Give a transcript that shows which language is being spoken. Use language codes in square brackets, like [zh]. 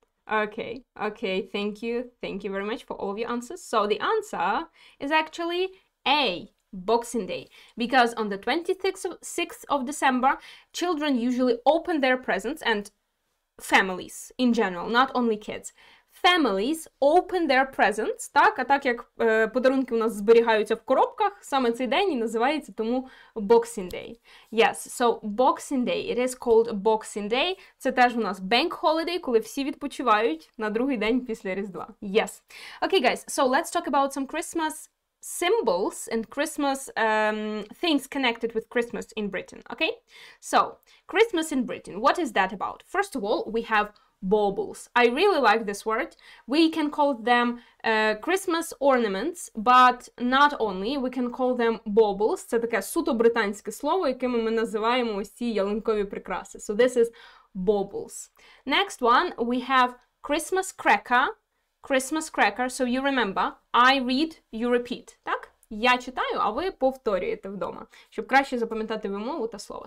[en] Okay, thank you. Thank you very much for all of your answers. So the answer is actually A, Boxing Day, because on the 26th of December, children usually open their presents, and families in general, not only kids. families open their presents, так? [uk] А так як подарунки у нас зберігаються в коробках, саме цей день і називається тому Boxing Day. [en] Yes, so Boxing Day, it is called Boxing Day. [uk] Це теж у нас bank holiday, коли всі відпочивають на другий день після Різдва. [en] Yes. Okay, guys, so let's talk about some Christmas symbols and Christmas things connected with Christmas in Britain, okay? So, Christmas in Britain, what is that about? First of all, we have baubles. I really like this word. We can call them Christmas ornaments, but not only, we can call them baubles. [uk] Це таке суто британське слово, яким ми називаємо ось ці ялинкові прикраси. [en] So this is baubles. Next one, we have Christmas cracker. Christmas cracker, so you remember, I read, you repeat, так? [uk] Я читаю, а ви повторюєте вдома, щоб краще запам'ятати вимову та слово.